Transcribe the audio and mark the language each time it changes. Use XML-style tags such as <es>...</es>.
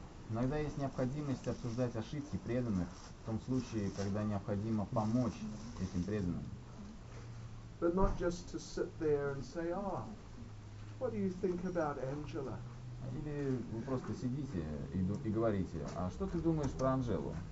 <ru>Иногда есть необходимость обсуждать ошибки преданных в том случае, когда необходимо помочь этим преданным.</ru> <en>But not just to sit there and say, oh, what do you think about Angela?</en> <ru>Или вы просто сидите и говорите, а что ты думаешь про Анжелу?</ru>